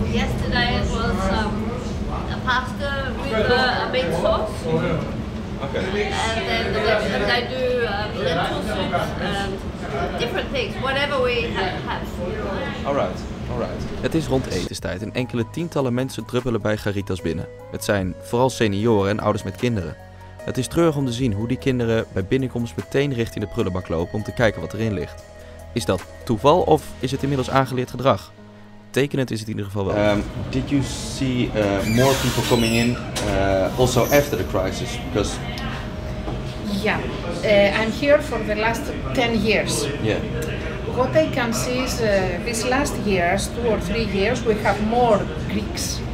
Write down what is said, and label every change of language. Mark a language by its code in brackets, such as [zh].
[en] Yesterday it was a pasta with a meat sauce. Okay. And then the next time they do lentil soups and different things, whatever we have. Alright. Alright. [nl] Het is rond etenstijd en enkele tientallen mensen druppelen bij Garitas binnen. Het zijn vooral senioren en ouders met kinderen. Het is treurig om te zien hoe die kinderen bij binnenkomst meteen richting de prullenbak lopen om te kijken wat erin ligt. Is dat toeval of is het inmiddels aangeleerd gedrag? Tekenend is het in ieder geval wel. [en] Did you see more people coming in also after the crisis? Because yeah, I'm here for the last 10 years. Yeah. What I can see is these last years, 2 or 3 years, we have more Greeks